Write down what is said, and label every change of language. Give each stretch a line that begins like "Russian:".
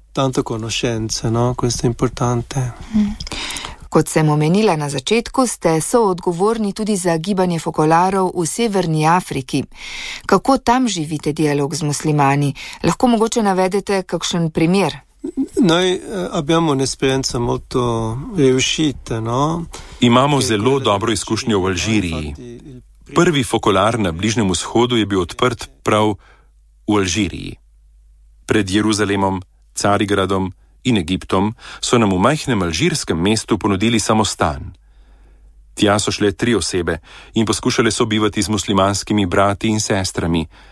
Italian: Tanto conoscenze, no? Questo è importante.
Slovenian: Kot sem omenila na začetku, ste soodgovorni tudi za gibanje fokolarov v Severni Afriki. Kako tam živite dialog z muslimani? Lahko mogoče navedete kakšen primer?
Italian: Noi abbiamo un'esperienza molto riuscita, no?
Slovenian: Imamo zelo dobro izkušnjo v Alžiriji. Prvi fokolar na Bližnjem vzhodu je bil odprt prav v Alžiriji. Pred Jeruzalemom, Carigradom in Egiptom so nam v majhnem alžirskem mestu ponudili samostan. Tja so šle tri osebe in poskušale sobivati z muslimanskimi brati in sestrami.